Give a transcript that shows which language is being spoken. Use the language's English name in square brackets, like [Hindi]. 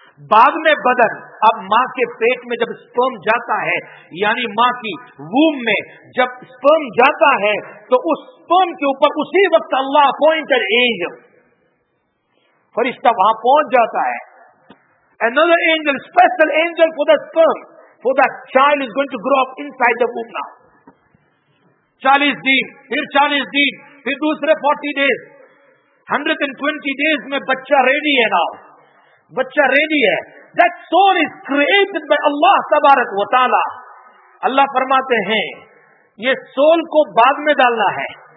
[Urdu] بعد میں بدن، اب ماں کے پیٹ میں جب سپرم جاتا ہے، یعنی ماں کی وومب میں جب سپرم جاتا ہے، تو اس سپرم کے اوپر اسی وقت اللہ اپوائنٹڈ اینجل، فرشتہ وہاں پہنچ جاتا ہے. [English] Another angel, special angel for the sperm, for that child is going to grow up inside the womb now. [Urdu] 40 days, پھر 40 days, پھر دوسرے 40 days, 120 days میں بچہ ریڈی ہے now. بچہ ریڈی ہے. [English] That soul is created by Allah تبارک و تعالی. [Urdu] اللہ فرماتے ہیں یہ soul کو بعد میں ڈالنا ہے.